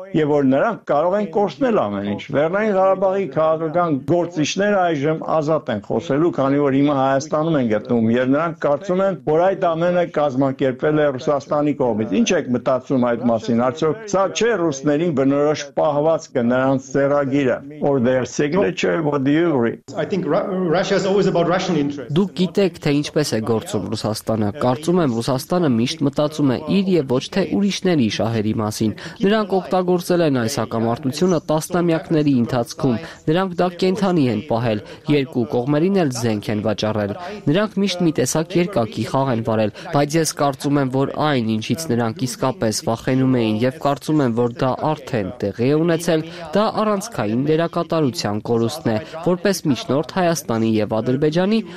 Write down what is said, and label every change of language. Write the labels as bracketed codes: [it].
[hy] եւ որ նրանք կարող են կորցնել ամեն ինչ։ Լեռնային Ղարաբաղի քաղաքական գործիչները այժմ ազատ են խոսելու, քանի որ հիմա Հայաստանում են գտնվում, եւ նրանք կարծում են, որ այդ ամենը կազմակերպել է Ռուսաստանի կողմից։ Ինչ եք մտածում այդ մասին, արդյոք սա չէ ռուսներին բնորոշ պահվածքը, նրանց ծերագիրը, [en] or their signature, what do you agree? I think Russia is always about Russian interests. [hy] Դուք գիտեք, թե ինչպես է գործում Ռուսաստանը։ Կարծում եմ, Ռուսաստանը միշտ մտածում է իր եւ ոչ թե ուրիշների շահերի մասին։ Նրանք օգտագործել են այս հակամարտությունը տասնամյակների ընթացքում, նրանք դա կենթանի են պահել, երկու կողմերին էլ զենք են վաճառել, նրանք միշտ մի տեսակ երկակի խաղ են վարել, բայց ես կարծում եմ, որ այն, ինչից նրանք իսկապես վախենում մեին, եւ կարծում եմ, որ դա արդեն տեղի է ունեցել, դա առանցքային դերակատարության կորուստն է, որպես միջնորդ Հայաստանի եւ Ադրբեջանի,